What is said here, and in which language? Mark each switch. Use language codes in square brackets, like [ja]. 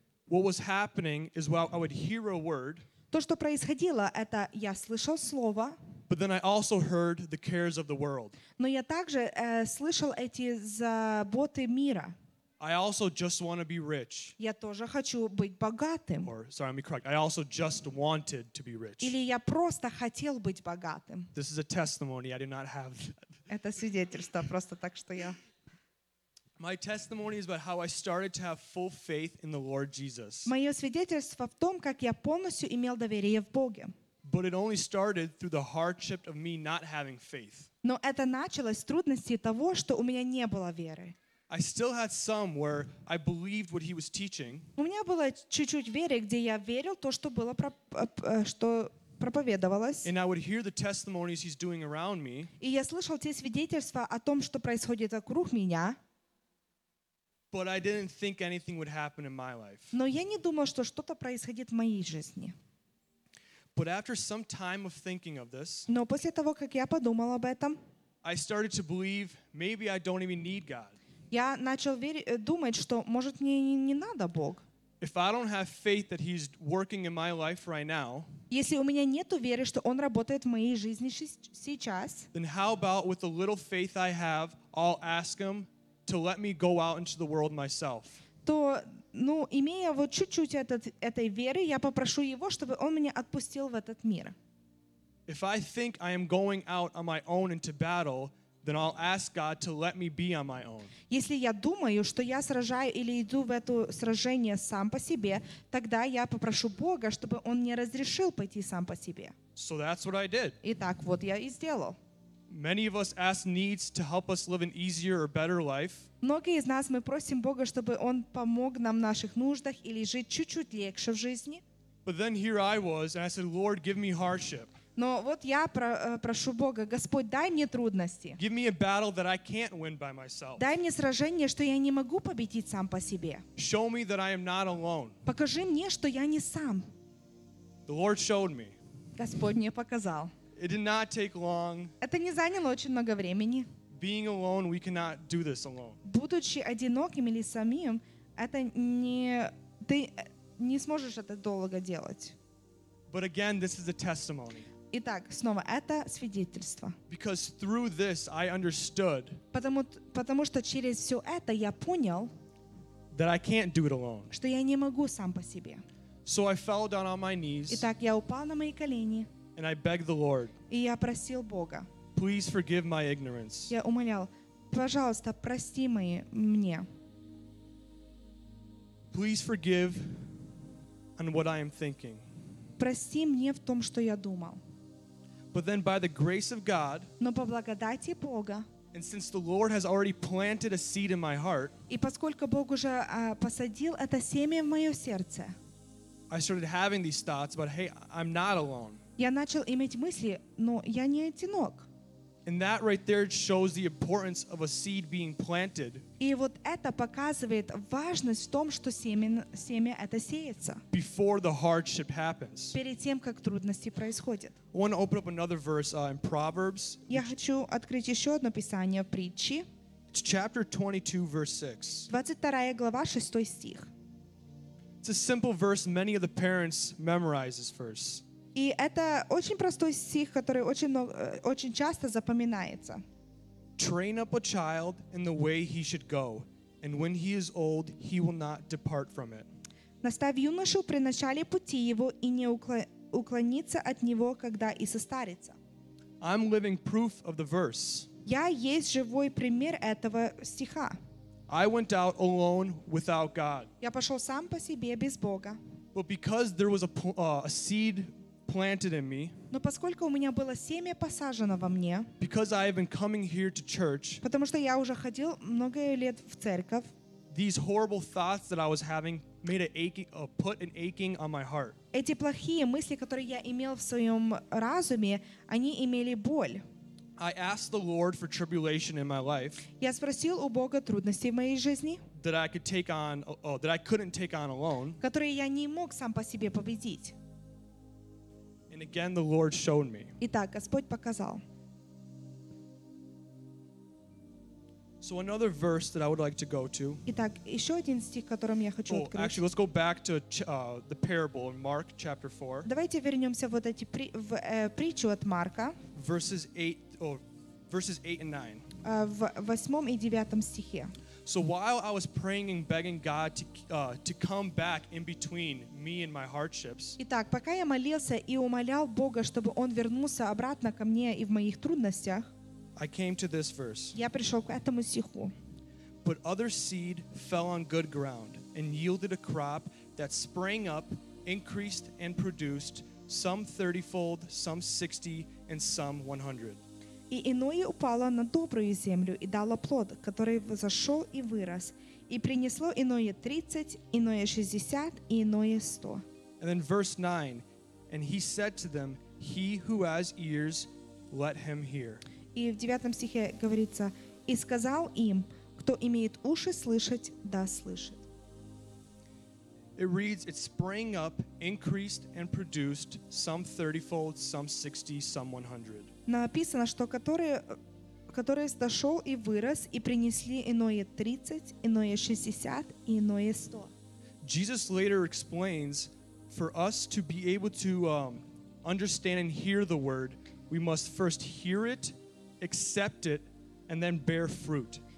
[en] What was happening is, well, I would hear a word, [ru] то, что происходило, это я слышал слово, [en] but then I also heard the cares of the world. [ru] Но я также слышал эти заботы мира. [en] I also just want to be rich. [ru] Я тоже хочу быть богатым. [en] Or, sorry, let me correct. I also just wanted to be rich. [ru] Или я просто хотел быть богатым. [en] This is a testimony. I do not have that. [ru] Это свидетельство просто так, что я. [en] My testimony is about how I started to have full faith in the Lord Jesus. [ru] Мое свидетельство в том, как я полностью имел доверие в Боге. [en] But it only started through the hardship of me not having faith. [ru] Но это началось с трудности того, что у меня не было веры. [en] I still had some where I believed what he was teaching. [ru] У меня было чуть-чуть веры, где я верил то, что было что проповедовалось. [en] And I would hear the testimonies he's doing around me. [ru] И я слышал те свидетельства о том, что происходит вокруг меня. [en] But I didn't think anything would happen in my life. [ru] Но я не думал, что что-то происходит в моей жизни. [en] But after some time of thinking of this. [ru] Но после того, как я подумал об этом. [en] I started to believe maybe I don't even need God. [ru] Я начал думать, что, может, мне не надо Бог. Если у меня нет веры, что Он работает в моей жизни сейчас, то, имея вот чуть-чуть этой веры, я попрошу Его, чтобы Он меня отпустил в этот мир. [en] If I think I am going out on my own into battle, then I'll ask God to let me be on my own. [ru] Если я думаю, что я сражаю или иду в это сражение сам по себе, тогда я попрошу Бога, чтобы Он мне разрешил пойти сам по себе. [en] So that's what I did. [ru] Итак, вот я и сделал. [en] Many of us ask needs to help us live an easier or better life. [ru] Многие из нас мы просим Бога, чтобы Он помог нам в наших нуждах или жить чуть-чуть легче в жизни. [en] But then here I was, and I said, Lord, give me hardship. [ru] Но вот я прошу Бога, Господь, дай мне трудности. [en] Give me a battle that I can't win by myself. [ru] Дай мне сражение, что я не могу победить сам по себе. [en] Show me that I am not alone. [ru] Покажи мне, что я не сам. [en] The Lord showed me. [ru] Господь мне показал. [en] It did not take long. [ru] Это не заняло очень много времени. [en] Being alone, we cannot do this alone. [ru] Будучи одиноким или самим, это не ты не сможешь это долго делать. [en] But again, this is a testimony. [ru] Итак, снова это свидетельство. [en] Because through this, I understood. [ru] Потому что через все это я понял. [en] That I can't do it alone. [ru] Что я не могу сам по себе. [en] So I fell down on my knees. [ru] Итак, я упал на мои колени. [en] And I begged the Lord. [ru] И я просил Бога. [en] Please forgive my ignorance. [ru] Я умолял, пожалуйста, прости мои мне. [en] Please forgive on what I am thinking. [ru] Прости мне в том, что я думал. [en] But then by the grace of God, [ru] но по благодати Бога, [en] and since the Lord has already planted a seed in my heart, [ru] и поскольку Бог уже посадил это семя в мое сердце, [en] I started having these thoughts, but hey, I'm not alone. [ru] Я начал иметь мысли, но я не одинок. [en] And that right there shows the importance of a seed being planted. [ru] И вот это показывает важность в том, что семя это сеется. [en] Before the hardship happens. [ru] Перед тем, как трудности происходят. [en] I want to open up another verse in Proverbs. [ru] Я хочу открыть еще одно писание в притчи. [en] It's chapter 22, verse 6. [ru] 22 глава, 6 стих. [en] It's a simple verse many of the parents memorize this verse. [ru] И это очень простой стих, который очень часто запоминается. [en] Train up a child in the way he should go, and when he is old, he will not depart from it. [ru] Наставь юношу при начале пути его и не уклониться от него, когда и состарится. [en] I'm living proof of the verse. [ru] Я есть живой пример этого стиха. [en] I went out alone without God. [ru] Я пошел сам по себе без Бога. [en] But because there was a seed planted in me. [ru] Но поскольку у меня было семя посажено во мне. [en] Because I have been coming here to church. [ru] Потому что я уже ходил много лет в церковь. [en] These horrible thoughts that I was having made an aching, put an aching on my heart. [ru] Эти плохие мысли, которые я имел в своем разуме, они имели боль. [en] I asked the Lord for tribulation in my life. [ru] Я спросил у Бога трудности в моей жизни. [en] That I could take on, that I couldn't take on alone. [ru] Которые я не мог сам по себе победить. [en] And again, the Lord showed me. [ru] Итак, Господь показал. [en] So another verse that I would like to go to. [ru] Итак, еще один стих, которым я хочу открыть. [en] Actually, let's go back to the parable in Mark chapter 4. [ru] Давайте вернемся вот эти в притчу от Марка. [en] Verses 8 and 9. [ru] В 8 и 9 стихе. [en] So while I was praying and begging God to come back in between me and my hardships. [ru] Итак, пока я молился и умолял Бога, чтобы он вернулся обратно ко мне и в моих трудностях. [en] I came to this verse. [ru] Я пришел к этому стиху. [en] But other seed fell on good ground and yielded a crop that sprang up, increased and produced some 30-fold, some 60, and some 100. [ru] И иное упало на добрую землю и дало плод, который взошел и вырос, и принесло иное 30, иное 60 и иное 100. [en] And then verse 9, and he said to them, he who has ears, let him hear. [ru] И в 9 стихе говорится, и сказал им, кто имеет уши слышать, да слышит. [en] It reads, it sprang up, increased and produced some 30-fold, some 60, some 100. [ru] Написано, что который взошел и вырос, и принесли иное 30, иное 60 и иное 100. [en] Jesus later explains, for us to be able to understand and hear the word, we must first hear it, accept it, and then bear fruit.